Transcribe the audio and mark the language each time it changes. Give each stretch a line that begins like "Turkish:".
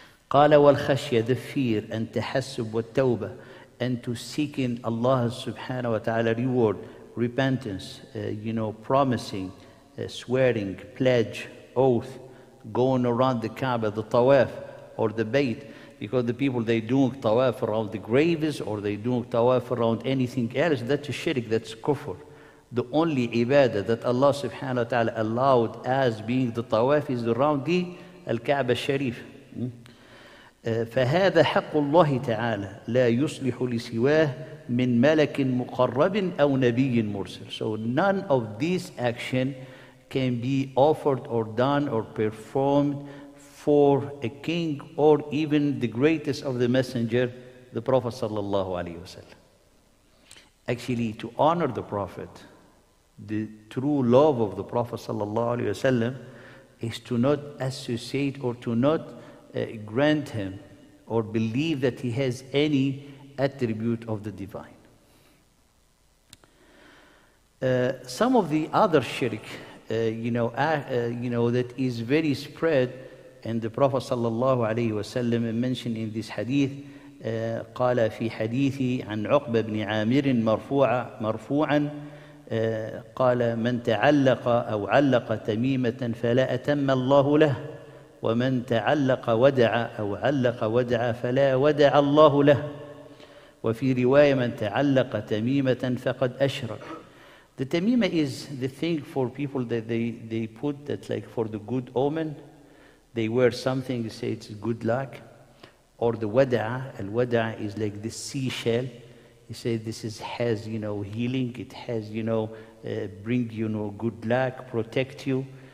Arabic: قال والخشية,
English: the fear, and
Arabic: تحسب والتوبة,
English: and to seek in Allah subhanahu wa ta'ala reward, repentance, you know, promising, swearing, pledge, oath, going around the Kaaba, the tawaf, or the bait, because the people, they doing tawaf around the graves, or they doing tawaf around anything else, that's a shirk, that's kufr. The only ibadah that Allah subhanahu wa ta'ala allowed as being the tawaf is around the Al-Kaaba Sharif.
Arabic: فهذا حق الله تعالى لا يصلح لسواه من ملك مقرب أو نبي مرسل.
English: So none of these action can be offered or done or performed for a king or even the greatest of the messenger, the Prophet صلى الله عليه وسلم. Actually, to honor the Prophet, the true love of the Prophet صلى الله عليه وسلم, is to not associate or to not grant him or believe that he has any attribute of the divine. Some of the other shirk, that is very spread, and the Prophet sallallahu alaihi wasallam mentioned in this hadith,
Arabic: قال في حديث عن عقبة بن عامر مرفوعا قال من تعلق أو علق تميمة فلا أتم الله له ومن تعلق ودع أو علق ودع فلا ودع الله له وفي رواية من تعلق تميمة فقد أشرك.
English: The tamima is the thing for people that they put that like for the good omen, they wear something, say it's good luck, or the wada, and wada is like the seashell, you say this is has, you know, healing, it has, you know, bring, you know, good luck, protect you.